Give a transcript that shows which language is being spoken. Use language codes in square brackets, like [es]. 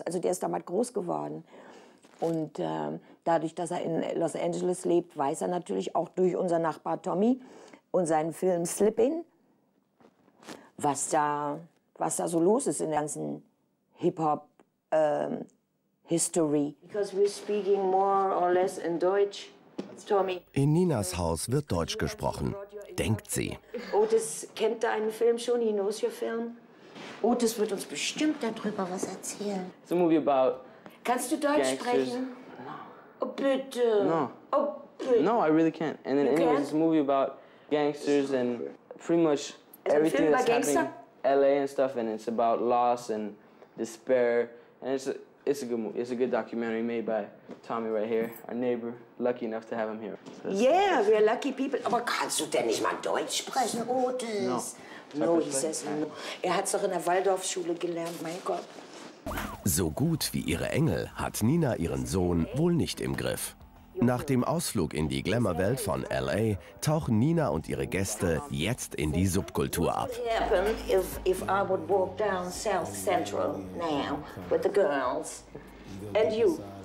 [de] Also der ist damals groß geworden. Und dadurch, dass er in Los Angeles lebt, weiß er natürlich auch durch unseren Nachbar Tommy und seinen Film Slippin', was da so los ist in der ganzen Hip-Hop-History. [en] Because we're speaking more or less in Deutsch, Tommy. [de] In Ninas Haus wird Deutsch gesprochen, denkt sie. Otis kennt deinen Film schon, [en] he knows your film. [de] Otis wird uns bestimmt darüber was erzählen. [en] It's a movie about... [de] Kannst du Deutsch sprechen? [en] No. [de] Oh, bitte. [en] No. [de] Oh, bitte. [en] No, I really can't. And then anyways, it's a movie about gangsters and pretty much... Everything that's happening, LA and stuff, and it's about loss and despair. And it's a good movie. It's a good documentary made by Tommy right here, our neighbor. Lucky enough to have him here. So yeah, we're lucky people. [de] Aber kannst du denn nicht mal Deutsch sprechen, Otis? [en] No, no, no, he says no. [de] Er hat's doch in der Waldorfschule gelernt, mein Gott. So gut wie ihre Engel hat Nina ihren Sohn wohl nicht im Griff. Nach dem Ausflug in die Glamour-Welt von L.A. tauchen Nina und ihre Gäste jetzt in die Subkultur ab. [en] What would happen if I would walk down South Central now with the girls and you?